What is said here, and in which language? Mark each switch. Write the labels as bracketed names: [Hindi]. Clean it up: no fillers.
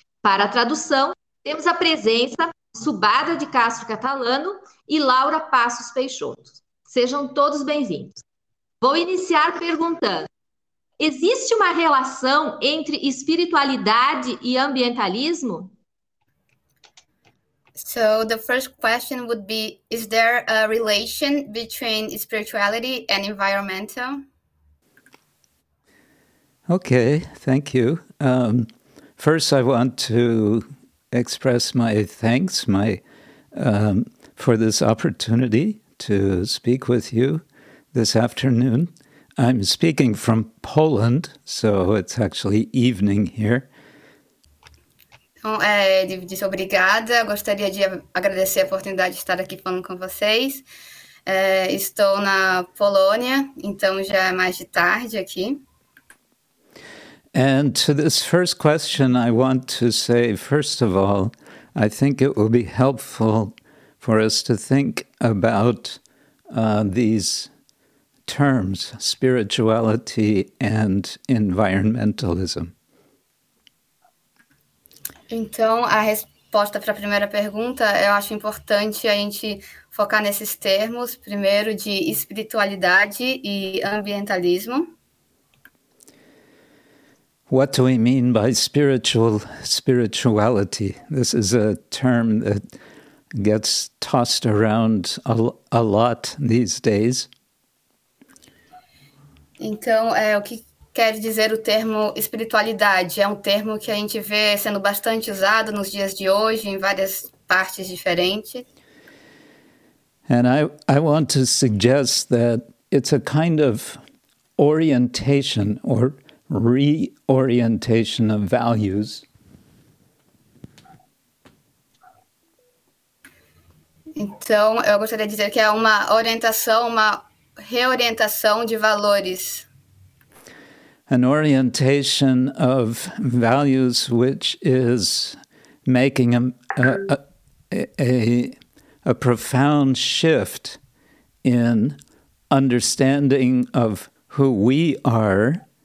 [Portuguese] Para a tradução, temos a presença Subada de Castro Catalano e Laura Passos Peixoto. Sejam todos bem-vindos. Vou iniciar perguntando: existe uma relação entre espiritualidade e ambientalismo? [English] So the first question would be, is there a relation between spirituality and environmental? Okay, thank you. First, I want to express my thanks for this opportunity to speak with you this afternoon. I'm speaking from Poland, so it's actually evening here. [Portuguese] Então, disse obrigada. Gostaria de agradecer a oportunidade de estar aqui falando com vocês. Estou na Polônia, então já é mais de tarde aqui. [English] And to this first question, I want to say, first of all, I think it will be helpful for us to think about these terms, spirituality and environmentalism. [Portuguese] Então, a resposta para a primeira pergunta, eu acho importante a gente focar nesses termos, primeiro de espiritualidade e ambientalismo. [English] What do we mean by spirituality? This is a term that gets tossed around a lot these days. [Portuguese] Então, o que quer dizer o termo espiritualidade? É um termo que a gente vê sendo bastante usado nos dias de hoje, em várias partes diferentes. [English] And I want to suggest that it's a kind of orientation or reorientation of values. [Portuguese] Então, eu gostaria de dizer que é uma orientação, uma reorientação de valores. [English] An orientation of values which is making a profound shift in understanding of who we are.